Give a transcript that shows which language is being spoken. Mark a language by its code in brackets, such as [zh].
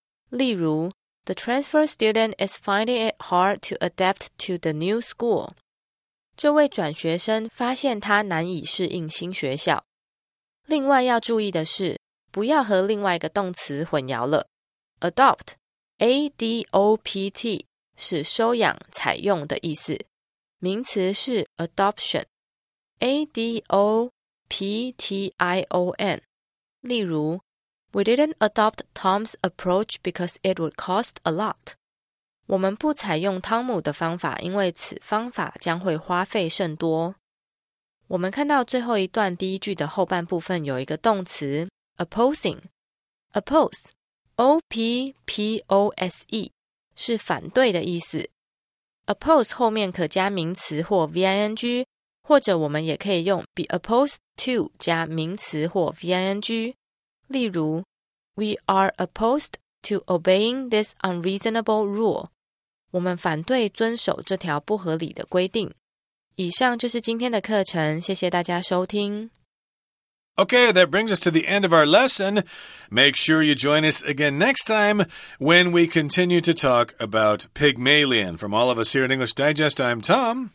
[zh] 例如 [en] ,The transfer student is finding it hard to adapt to the new school. [zh] 这位转学生发现他难以适应新学校。另外要注意的是不要和另外一个动词混淆了。 Adopt, A-D-O-P-T, 是收养采用的意思。名词是 adoption, A-D-O-P-T-I-O-N。例如 [en] ,We didn't adopt Tom's approach because it would cost a lot. [zh] 我们不采用汤姆的方法因为此方法将会花费甚多。我们看到最后一段第一句的后半部分有一个动词 ,opposing。 oppose, O-P-P-O-S-E, 是反对的意思。 oppose 后面可加名词或 V-I-N-G,或者我们也可以用 be opposed to 加名词或 ving， 例如 ， [en] We are opposed to obeying this unreasonable rule。 [zh] 我们反对遵守这条不合理的规定。以上就是今天的课程，谢谢大家收听。 [en] Okay, that brings us to the end of our lesson. Make sure you join us again next time when we continue to talk about Pygmalion. From all of us here at English Digest, I'm Tom.